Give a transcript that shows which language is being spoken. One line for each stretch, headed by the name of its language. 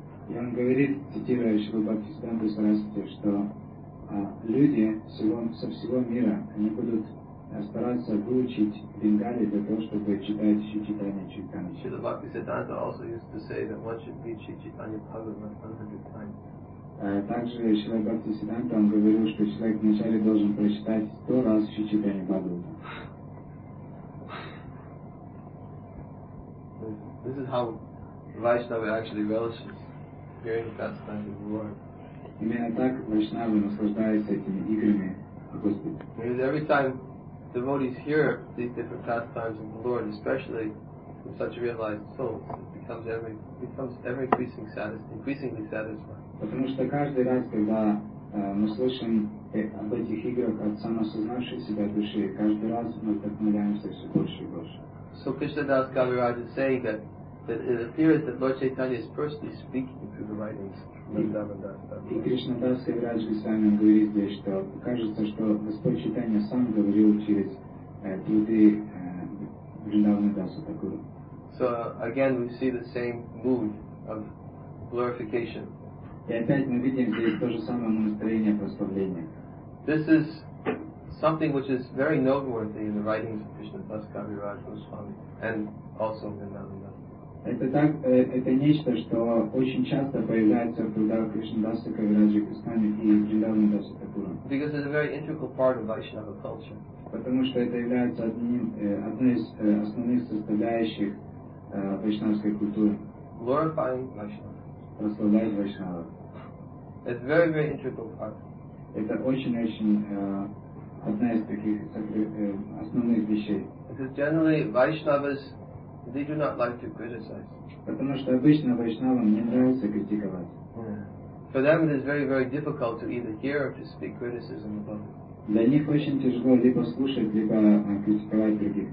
Russian: И он говорит, цитируя Шрилу Бхакти Сиддханту Сарасвати, что люди со всего мира, они будут стараться выучить Бенгали для того, чтобы читать Шри Чайтанья Чайтанья.
English: Шрила Бхакти Сиддханта also used to say that one should read Sri Chaitanya Bhagavatam 100 times.
Russian: Также Шрила Бхакти Сиддханта, он говорил, что человек вначале должен прочитать 100 раз Шри Чайтанья Бхагавата.
English: This is how Vaishnava actually relishes hearing God's kind of word.
Russian: Именно так Вайшнавы наслаждаются этими играми Господа.
English: Because every time devotees hear these different pastimes of the Lord, especially from such realized souls, it becomes ever increasingly satisfying.
Russian: Потому что каждый раз, когда мы слышим об этих играх от самосознавшей себя души, каждый раз мы вдохновляемся все больше и больше.
English: So Krishna Das Kaviraj is saying that it appears that Lord Chaitanya is personally speaking through the writings
Russian: И Кришна Дас Кавирадж Госвами говорит здесь, что кажется, что Господь Чайтанья сам говорил через труды Вриндаваны Даса Такуру.
English: So again we see the same mood of glorification.
Russian: И опять мы видим здесь то же самое настроение прославления.
English: This is something which is very noteworthy in the writings of Krishna Das Kaviraj Goswami and also Vrindavan Das.
Russian: Это нечто, что очень часто появляется в трудах Кришна Даса Кавираджи Госвами и Вриндаваны Даса Такура.
English: Because it's a very integral part of Vaishnava culture.
Russian: Потому что это является одной из основных составляющих вайшнавской культуры.
English: Glorifying Vaishnava.
Russian: Прославлять Вайшнава.
English: It's a very, very integral part.
Russian: Это одна из таких основных вещей.
English: Because generally Vaishnavas they do not like to criticize.
Russian: Потому что обычно вайшнавам не нравится критиковать.
English: For them it is very, very difficult to either hear or to speak criticism about it.
Russian: Для них очень тяжело либо слушать, либо критиковать других.